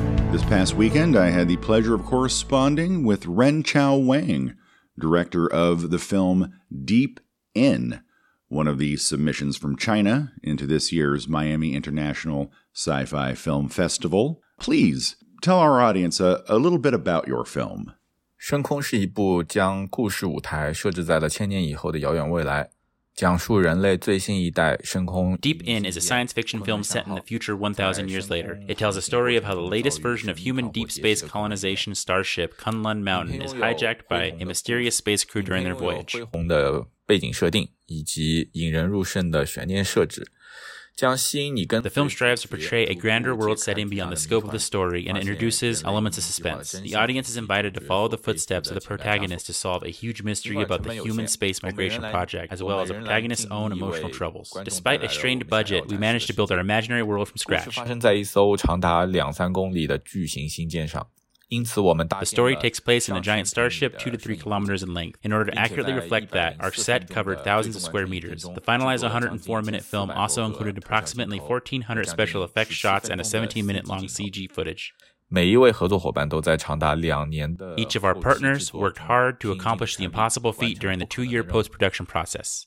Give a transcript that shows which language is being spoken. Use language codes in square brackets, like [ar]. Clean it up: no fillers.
[en] This past weekend, I had the pleasure of corresponding with Ren Chao Wang, director of the film Deep In, one of the submissions from China into this year's Miami International Sci-Fi Film Festival. Please tell our audience a little bit about your film. [zh] 深空是一部将故事舞台设置在了千年以后的遥远未来, [en] Deep In is a science fiction film set in the future 1,000 years later. It tells a story of how the latest version of human deep space colonization starship Kunlun Mountain is hijacked by a mysterious space crew during their voyage. [zh] 背景设定以及引人入胜的悬念设置，将吸引你跟 [en] The film strives to portray a grander world setting beyond the scope of the story and introduces elements of suspense. The audience is invited to follow the footsteps of the protagonist to solve a huge mystery about the human space migration project, as well as the protagonist's own emotional troubles. Despite a strained budget, we managed to build our imaginary world from scratch. [zh] 故事发生在一艘长达两三公里的巨型星舰上。 [en] The story takes place in a giant starship 2 to 3 kilometers in length. In order to accurately reflect that, our set covered thousands of square meters. The finalized 104-minute film also included approximately 1,400 special effects shots and a 17-minute long CG footage. Each of our partners worked hard to accomplish the impossible feat during the two-year post-production process.